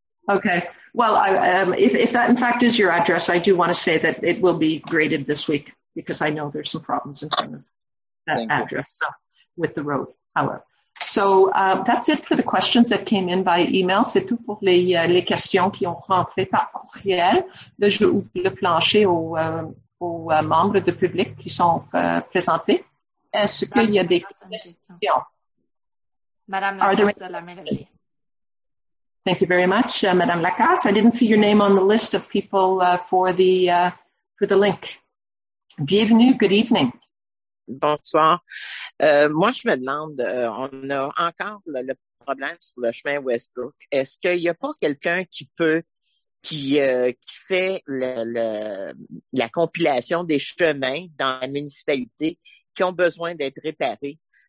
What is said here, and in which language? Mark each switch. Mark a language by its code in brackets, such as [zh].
[en] Okay. Well, if that in fact is your address, I do want to say that it will be graded this week because I know there's some problems in front of that address so, with the road. However, so that's it for the questions that came in by email. [fr] C'est tout pour les questions qui ont rentré par courriel. Là, je ouvre le plancher aux membres de public qui sont présentés. Est-ce qu'il y a des questions? Madame Lamelle. [en] Thank you very much, Madame Lacasse. I didn't see your name on the list of people for the link. [fr] Bienvenue, [en] good evening. [fr] Bonsoir. Moi, je me demande, on a encore le problème sur le chemin Westbrook. Est-ce qu'il n'y a pas quelqu'un qui fait la compilation des chemins dans la municipalité qui ont besoin d'être réparés?